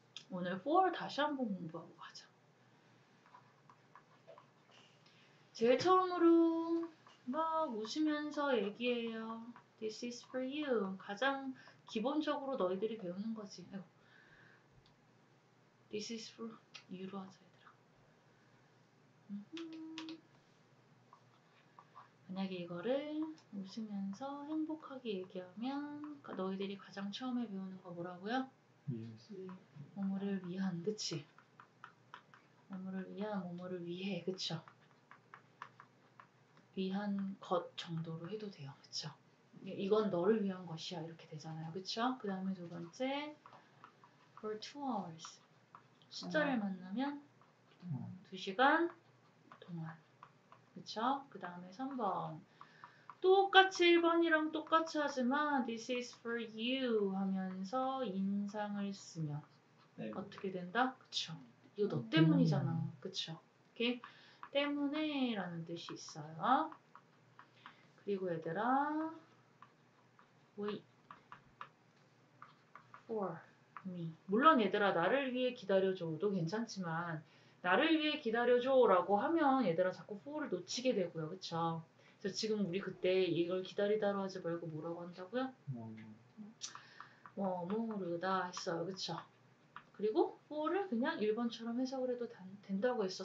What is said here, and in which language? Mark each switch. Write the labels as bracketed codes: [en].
[ko] 오늘 for 다시 한번 공부하고 가자. 제일 처음으로 막 웃으면서 얘기해요. This is for you. 가장 기본적으로 너희들이 배우는 거지. [en] This is for you [ko] 로 하자, 얘들아. 만약에 이거를 웃으면서 행복하게 얘기하면 너희들이 가장 처음에 배우는 거 뭐라고요? 모모를 위한, 그치? 모모를 위한, 모모를 위해, 그쵸? 위한 것 정도로 해도 돼요, 그쵸? 이건 너를 위한 것이야, 이렇게 되잖아요, 그쵸? 그 다음에 두 번째 [en] For 2 hours [ko] 숫자를 만나면 2시간 동안, 그쵸? 그 다음에 3번 똑같이 1번이랑 똑같이 하지만 [en] This is for you [ko] 하면서 인상을 쓰면 어떻게 된다? 그쵸? 이거 너 때문이잖아, 그쵸? 이렇게 때문에 라는 뜻이 있어요. 그리고 얘들아 [en] Wait for me. [ko] 물론 얘들아 나를 위해 기다려줘도 괜찮지만 나를 위해 기다려줘 라고 하면 얘들아 자꾸 for를 놓치게 되고요, 그쵸? 그래서 지금 우리 그때 이걸 기다리다로 하지 말고 뭐라고 한다고요? 머무르다 했어요, 그쵸? 그리고 for를 그냥 1번처럼 해석을 해도 된다고 했어.